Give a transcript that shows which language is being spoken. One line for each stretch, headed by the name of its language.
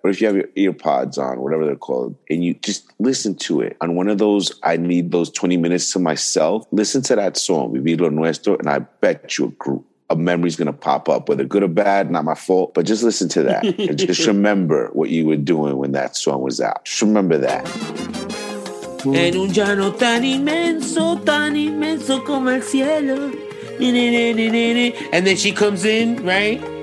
English: Or if you have your ear pods on, whatever they're called, and you just listen to it on one of those, I need those 20 minutes to myself. Listen to that song, Vivir Lo Nuestro, and I bet you a memory's going to pop up, whether good or bad, not my fault. But just listen to that and just remember what you were doing when that song was out. Just remember that.
Spanish: En un llano tan inmenso como el cielo.
English: And then she comes in, right?